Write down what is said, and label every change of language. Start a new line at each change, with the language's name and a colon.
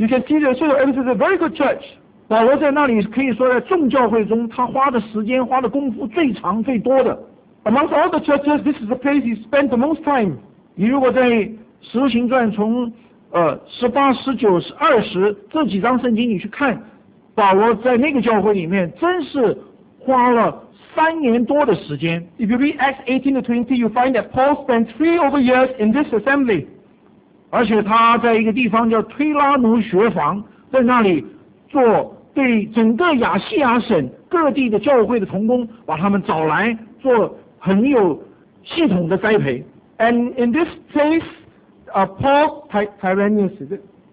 English: You can see that Ephesus is a very good church.
Chinese: 保罗在那里可以说在众教会中，他花的时间、花的功夫最长、最多的。
English: Amongst all the churches, this is the place he spent the most time.
Chinese: 你如果在《使徒行传》从十八、十九、二十这几章圣经你去看。保罗在那个教会里面真是花了三年多的时间。
English: If you read Acts 18 to 20, you find that Paul spent three over years in this assembly.
Chinese: 而且他在一个地方叫推拉奴学房，在那里做对整个亚细亚省各地的教会的同工，把他们找来做很有系统的栽培。
English: And in this place, Paul Tyrannus, is it?